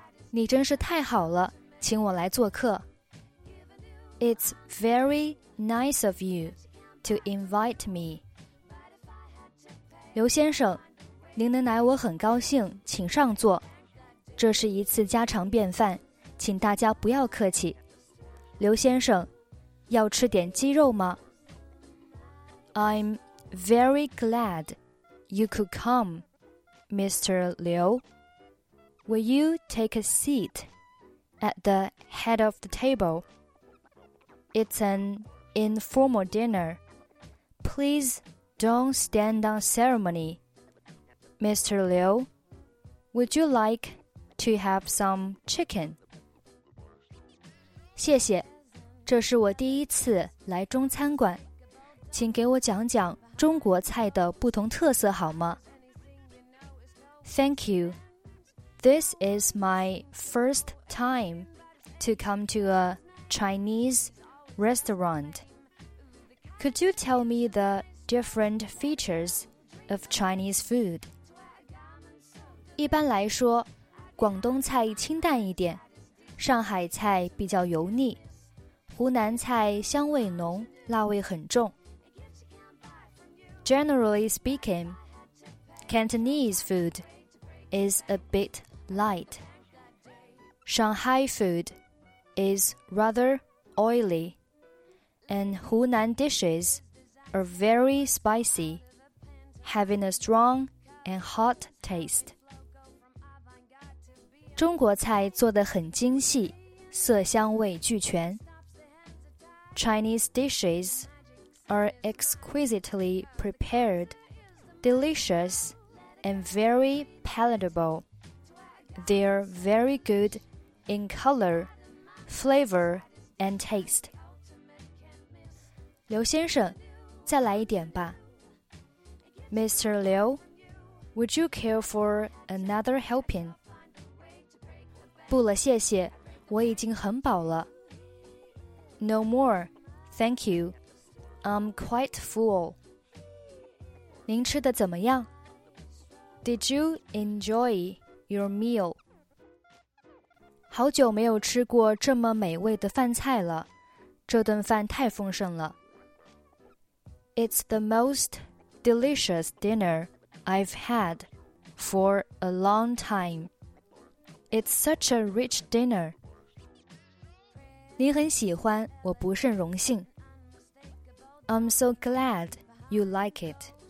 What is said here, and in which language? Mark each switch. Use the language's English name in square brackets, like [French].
[Chinese] 你真是太好了，请我来做客。 [English] It's very nice of you to invite me. [Chinese] 刘先生，您能来我很高兴，请上座。这是一次家常便饭，请大家不要客气。刘先生，要吃点鸡肉吗？ [English] I'm very glad you could come, Mr. Liu. Will you take a seat at the head of the table? It's an informal dinner. Please don't stand on ceremony. Mr. Liu, would you like to have some chicken? [Chinese] 谢谢，这是我第一次来中餐馆，请给我讲讲中国菜的不同特色好吗？ [English] Thank you. This is my first time to come to a Chinese restaurant. Could you tell me the different features of Chinese food? [Chinese] 一般来说，广东菜清淡一点，上海菜比较油腻，湖南菜香味浓，辣味很重。 [English] Generally speaking, Cantonese food is a bit light. Shanghai food is rather oily. And Hunan dishes are very spicy, having a strong and hot taste. [Chinese] 中国菜做得很精细，色香味俱全。 [English] Chinese dishes are exquisitely prepared, delicious, and very palatable. They're very good in color, flavor, and taste. [Chinese] 刘先生，再来一点吧。 [English] Mr. Liu, would you care for another helping? [Chinese] 不了，谢谢，我已经很饱了。 [English] No more, thank you. I'm quite full. [Chinese] 您吃的怎么样？ [English] Did you enjoy your meal? [Chinese] 好久没有吃过这么美味的饭菜了，这顿饭太丰盛了。 [English] It's the most delicious dinner I've had for a long time. It's such a rich dinner. [Chinese] 您很喜欢，我不甚荣幸。 [English] I'm so glad you like it.